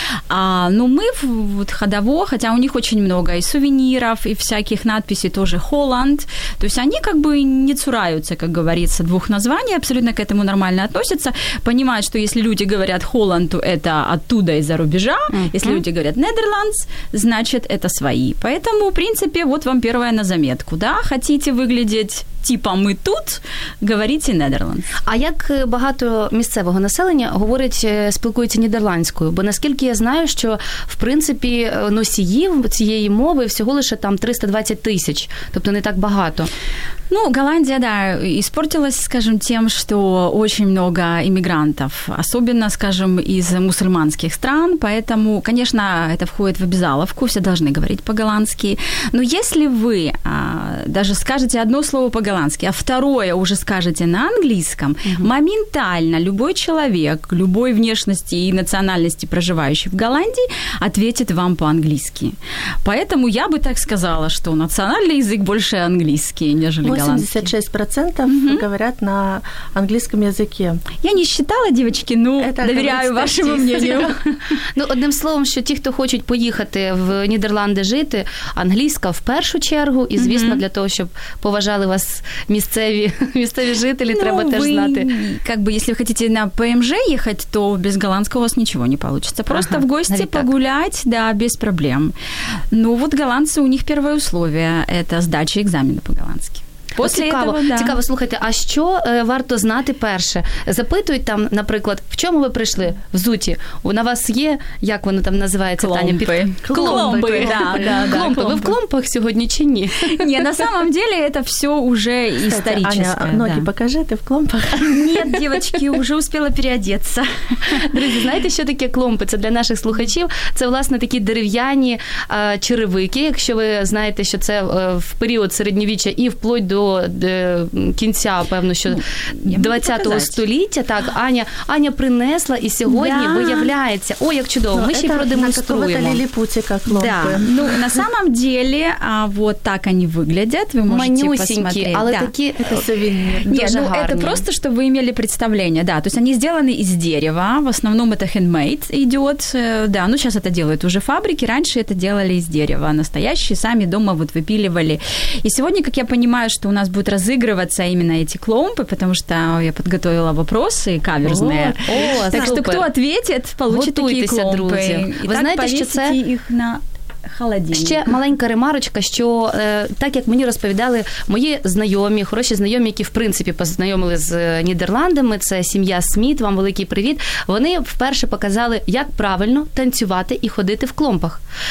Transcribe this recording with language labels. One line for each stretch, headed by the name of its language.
Russian: А, но мы в вот, ходово, хотя у них очень много и сувениров, и всяких надписей, тоже Holland, то есть они как бы не цураются, как говорится, двух названий, абсолютно к этому нормально относятся, понимают, что если люди говорят Holland, то это оттуда, из-за рубежа, mm-hmm. если люди говорят Netherlands, значит, это свои. Поэтому, в принципе, вот вам первое на заметку, да, хотите выглядеть типа «мы тут», говорите «Нідерланд».
Ukrainian: А як багато місцевого населення говорить, спілкується нідерландською? Бо, наскільки я знаю, що, в принципі, носіїв цієї мови всього лише там 320 тисяч, тобто не так багато.
Russian: Ну, Голландия, да, испортилась, скажем, тем, что очень много иммигрантов, особенно, скажем, из мусульманских стран, поэтому, конечно, это входит в обязаловку, все должны говорить по-голландски, но если вы даже скажете одно слово по-голландски, а второе уже скажете на английском, mm-hmm. моментально любой человек, любой внешности и национальности, проживающий в Голландии, ответит вам по-английски. Поэтому я бы так сказала, что национальный язык больше английский, нежели 86% mm-hmm. говорят на английском языке. Я не считала, девочки, но это доверяю вашему мнению.
Ukrainian: Ну, одним словом, що ті, хто хочуть поїхати в Нідерланди жити, англійська в першу чергу, і, звісно, mm-hmm. для того, щоб поважали вас місцеві жителі, треба теж знати.
Russian: Как бы, если вы хотите на ПМЖ ехать, то без голландского у вас ничего не получится. Просто в гости погулять, да, без проблем. Ну, вот голландцы, у них первое условие – это сдача экзамена по-голландски. После цікаво, этого, да.
Ukrainian: Цікаво, слухайте, а що варто знати перше? Запитують там, наприклад, в чому ви прийшли? В зуті. На вас є, як воно там називається, клумпи. Таня? Клумпи. Клумпи.
Russian: Да, да,
Ukrainian: клумпи. Клумпи. Ви в клумпах сьогодні чи ні? Ні,
Russian: на самом деле,
Ukrainian: це все вже історичне. Аня, ноги покажи, ти в клумпах. Ні, дівчатки, вже успіла переодеться. Друзі, знаєте, що таке клумпи? Це для наших слухачів. Це, власне, такі дерев'яні черевики, якщо ви знаєте, що це в період середньовіччя і вплоть до кінця, певно, що 20-го століття. Так, Аня принесла і сьогодні виявляється. Ой, як чудово. Ми ще й продемонструємо. Це на какого-то ліліпутика клопи.
Russian: Да. Ну, на самом деле, вот так они выглядят.
Ukrainian: Ви можете манюсенькі,
Russian: посмотреть.
Ukrainian: Але
Russian: да.
Ukrainian: Такі сувенірні. Дуже гарні. Ну, це просто, щоб ви мали представлення.
Russian: Да, то есть они сделаны из дерева. В основному это handmade идет. Да, ну, сейчас это делают уже фабрики. Раньше это делали из дерева. Настоящие сами дома вот выпиливали. И сегодня, как я понимаю, что у нас будут разыгрываться именно эти клумпы, потому что я подготовила вопросы каверзные. Так что кто ответит, получит такие клумпы. И вы знаете, что це их на холодильник.
Ukrainian: Ще маленька ремарочка, що так, як мені розповідали мої знайомі, хороші знайомі, які, в принципі, познайомили з Нідерландами, це сім'я Сміт, вам великий привіт, вони вперше показали, як правильно танцювати і ходити в клумпах.